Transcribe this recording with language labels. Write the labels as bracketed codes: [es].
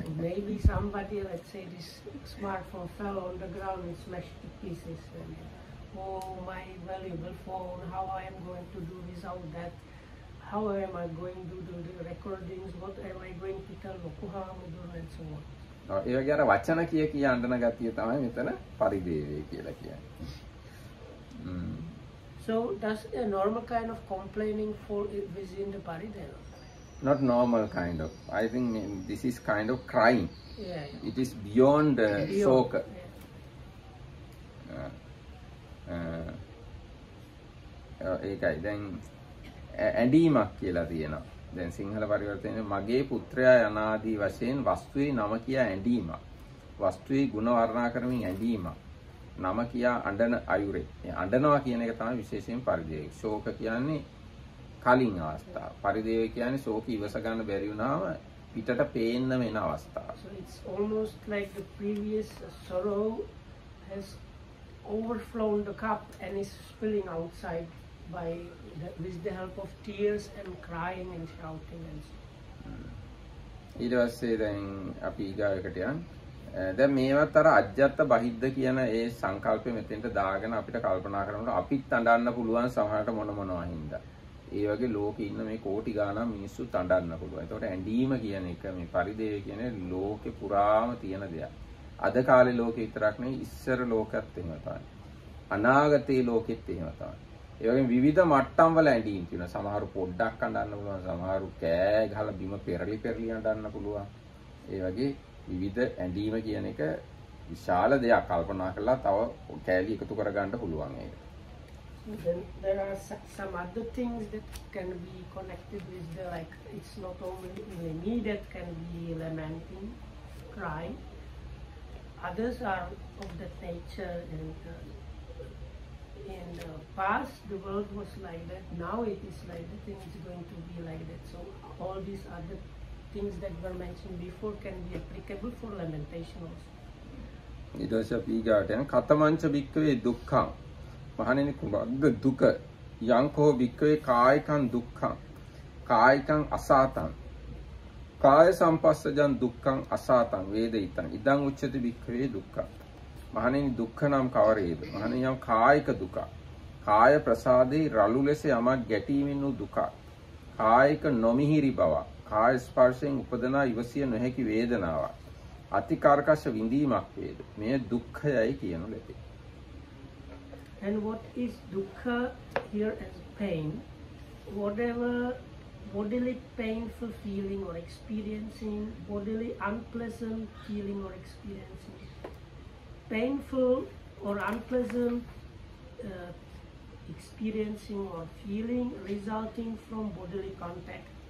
[en] Maybe somebody let's say this smartphone fell on the ground and smashed to pieces. And, oh my valuable phone, how I am going to do this, how that, how am I going to do the recordings, what am I going to tell Lokuhamudur and so on. [si] ඒ වගේ අර වචන කිය කිය අඳන ගතිය තමයි මෙතන පරිදේවේ කියලා කියන්නේ. [en] So does a normal kind of complaining fall within the parideva? Not normal kind of. I think this is kind of crying. Yeah. It is beyond the shoka. Yeah. [si] ඒකයි දැන් ඇඬීමක් කියලා තියෙනවා. දැන් සිංහල පරිවර්තනයේ මගේ පුත්‍රයා යනාදී වශයෙන් වස්තුවේ නම කියා ඇඬීමක්. වස්තුවේ ගුණ වර්ණනා කරමින් ඇඬීමක්. නම කියා අඬන අයුරේ මේ අඬනවා කියන එක තමයි විශේෂයෙන් පරිදේය. ශෝක කියන්නේ කලින් අවස්ථාව. පරිදේය කියන්නේ ශෝක ඉවස ගන්න බැරි වුණාම පිටට පේන්න වෙන අවස්ථාව. [en] So it's almost like the previous sorrow has overflowed the cup and is spilling outside by with the help of tears and crying and shouting and so. [si] ඊට පස්සේ දැන් අපි ඊගාවකට යන් දැන් මේවත් අර අජ්ජත්ත බහිද්ද කියන ඒ සංකල්පෙ මෙතෙන්ට දාගෙන අපිට කල්පනා කරනකොට අපිත් අඬන්න පුළුවන් සමහරට මොන මොනවා හින්දා. ඒ වගේ ලෝකෙ ඉන්න මේ කෝටි ගාණක් මිනිස්සු අඬන්න පුළුවන්. ඒතකොට ඇඬීම කියන එක මේ පරිදේය කියන ලෝකෙ පුරාම තියෙන දෙයක්. අද කාලේ ලෝකෙ විතරක් නෙවෙයි ඉස්සර ලෝකත් එහෙම තමයි. අනාගතේ ලෝකෙත් එහෙම තමයි. ඒ වගේ විවිධ මට්ටම් වල ඇඬීම් තියෙනවා. සමහරු පොඩ්ඩක් අඬන්න පුළුවන්, සමහරු කෑ ගහලා බිම පෙරලි පෙරලි අඬන්න පුළුවන්. ඒ වගේ විවිධ ඇඬීම කියන එක විශාල දෙයක් කල්පනා කරලා තව කෑලි එකතු කර ගන්න පුළුවන් ඒක. [en] There are some other things that can be connected with the like it's not only me that can be lamenting, crying. Others are of that nature and in the past the world was like that, now it is like that and it's going to be like that. So all these other things that were mentioned before can be applicable for lamentation also. [si] ඊට පස්සේ අපි ඊගාට යන [pi] කතමංච බික්කවේ දුක්ඛං [si] මහණෙනි කුමක්ද දුක [pi] යංකෝ බික්කවේ කායිකං දුක්ඛං කායිකං අසාතං කාය සම්පස්සජං දුක්ඛං අසාතං වේදිතං ඉදං උච්චති බික්කවේ දුක්ඛං [si] මහණෙනි දුක්ඛ නම් කවරේද මහණෙනි යම් කායික දුක කාය ප්‍රසාදේ රළු ලෙස යමක් ගැටීමෙන් වූ දුක කායික නොමිහිරි බව කාය ස්පර්ශයෙන් උපදන ඉවසිය නොහැකි වේදනාවක් අතිකාර්කශ විඳීමක් වේද මේ දුක්ඛයයි කියනු ලැබේ. [en] And what is dukkha here as pain? Whatever bodily painful feeling or experiencing, bodily unpleasant feeling or experiencing, painful or unpleasant experiencing or feeling resulting from bodily contact.